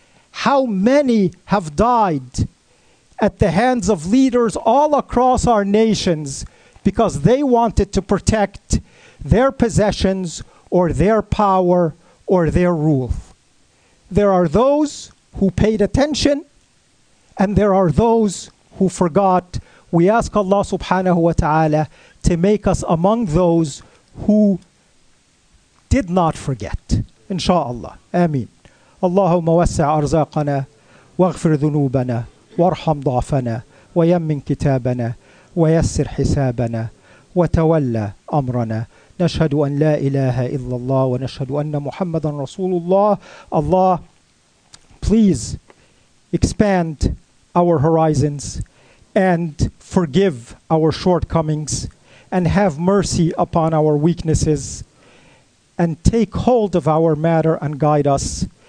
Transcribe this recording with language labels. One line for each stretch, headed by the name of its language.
English: How many have died at the hands of leaders all across our nations because they wanted to protect their possessions or their power or their rule. There are those who paid attention and there are those who forgot. We ask Allah subhanahu wa ta'ala to make us among those who did not forget.
Arabic: Inshallah. Ameen. Allahumma wassi' arzaqana waghfir dhunubana وارحم ضعفنا ويمن كتابنا ويسر حسابنا وتولى أمرنا نشهد أن لا إله إلا الله ونشهد أن محمدا رسول الله.
English: Allah, please expand our horizons and forgive our shortcomings and have mercy upon our weaknesses and take hold of our matter and guide us.